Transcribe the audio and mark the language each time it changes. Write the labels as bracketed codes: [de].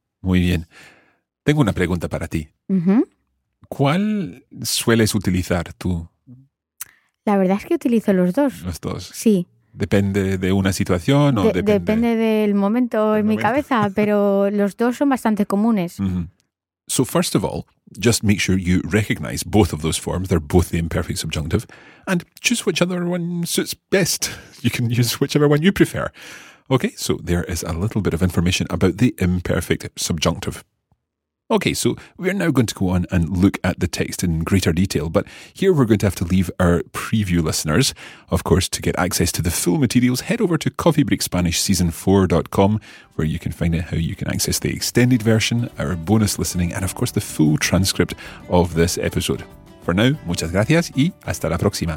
[es] Muy bien. Tengo una pregunta para ti. ¿Cuál sueles utilizar tú? La verdad es que utilizo los dos. Los dos. Sí. ¿Depende de una situación o depende? Depende del momento en mi cabeza, pero los dos son bastante comunes. [en] So first of all, just make sure you recognize both of those forms. They're both the imperfect subjunctive. And choose whichever one suits best. You can use whichever one you prefer. Okay, so there is a little bit of information about the imperfect subjunctive. Okay, so we're now going to go on and look at the text in greater detail, but here we're going to have to leave our preview listeners. Of course, to get access to the full materials, head over to coffeebreakspanishseason4.com, where you can find out how you can access the extended version, our bonus listening, and of course the full transcript of this episode. For now, [es] muchas gracias y hasta la próxima.